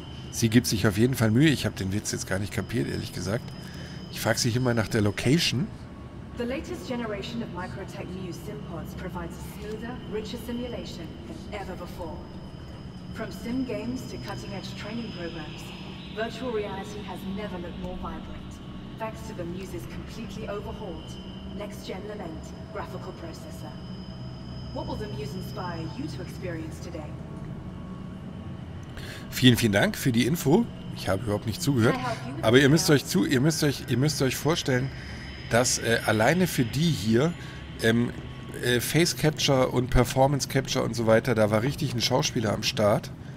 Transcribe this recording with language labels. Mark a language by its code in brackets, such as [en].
[de] Sie gibt sich auf jeden Fall Mühe. Ich habe den Witz jetzt gar nicht kapiert, ehrlich gesagt. Ich frage sie immer nach der Location. [en] The latest generation of Microtech new SimPods provides a smoother, richer simulation than ever before. From sim games to cutting-edge training programs, virtual reality has never looked more vibrant. Thanks to the Muse's completely overhauled next-gen Lament graphical processor. What will the Muse inspire you to experience today? [de] Vielen, vielen Dank für die Info. Ich habe überhaupt nicht zugehört, aber ihr müsst euch vorstellen, dass alleine für die hier Face Capture und Performance Capture und so weiter, da war richtig ein Schauspieler am Start.